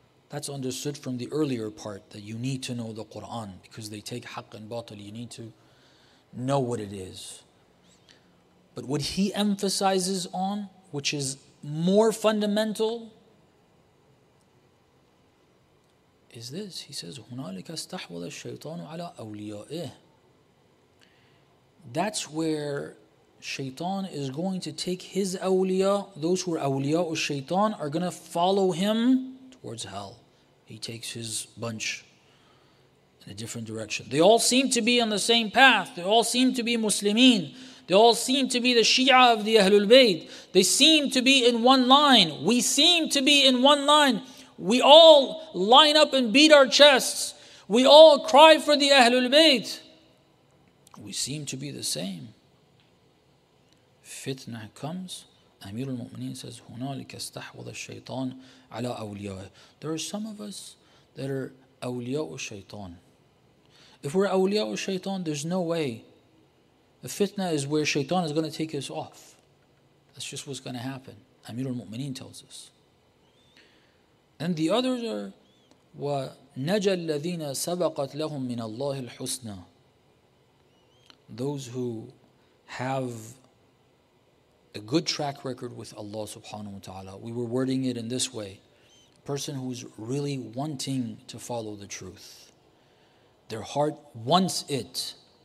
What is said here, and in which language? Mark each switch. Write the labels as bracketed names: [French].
[English] That's understood from the earlier part, that you need to know the Qur'an because they take haqq and batil. You need to know what it is. But what he emphasizes on, which is more fundamental, is this. He says, [Arabic] هُنَالِكَ اسْتَحْوَضَ الشَّيْطَانُ عَلَىٰ أَوْلِيَائِهِ. [English] That's where shaitan is going to take his awliya. Those who are awliya or shaitan are going to follow him towards hell. He takes his bunch in a different direction. They all seem to be on the same path. They all seem to be Muslimin. They all seem to be the Shia of the Ahlul Bayt. They seem to be in one line. We seem to be in one line. We all line up and beat our chests. We all cry for the Ahlul Bayt. We seem to be the same. Fitna comes. Amir al-Mu'mineen says, [Arabic] هُنَالِكَ اسْتَحْوَضَ الشَّيْطَانُ عَلَىٰ أَوْلِيَاءِ. [English] There are some of us that are awliya'u shaytan. If we're awliya'u shaytan, there's no way. The fitna is where shaitan is going to take us off. That's just what's going to happen. Amir al-Mu'mineen tells us. And the others are, [Arabic] وَنَجَى الَّذِينَ سَبَقَتْ لَهُمْ مِنَ اللَّهِ الْحُسْنَى. [English] Those who have a good track record with Allah subhanahu wa ta'ala. We were wording it in this way. A person who's really wanting to follow the truth. Their heart wants it.